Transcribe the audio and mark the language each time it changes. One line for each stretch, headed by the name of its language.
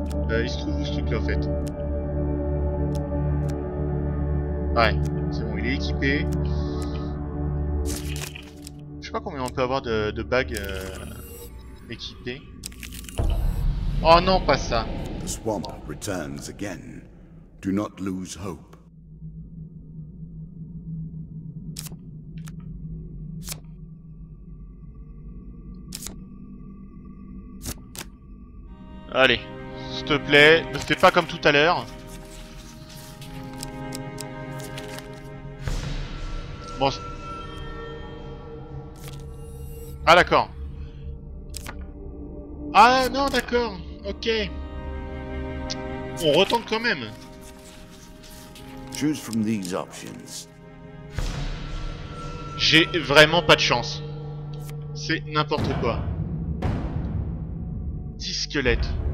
French: Il se trouve où ce truc là en fait? Ouais, c'est bon, il est équipé. Je sais pas combien on peut avoir de bagues équipées. Oh non, pas ça.
English: The swamp returns again. Do not lose hope.
French: Allez, s'il te plaît, ne fais pas comme tout à l'heure. Bon. Ah d'accord. Ah non, d'accord. Ok. On retente quand même.
English: Choose from these options.
French: J'ai vraiment pas de chance. C'est n'importe quoi. 10 squelettes.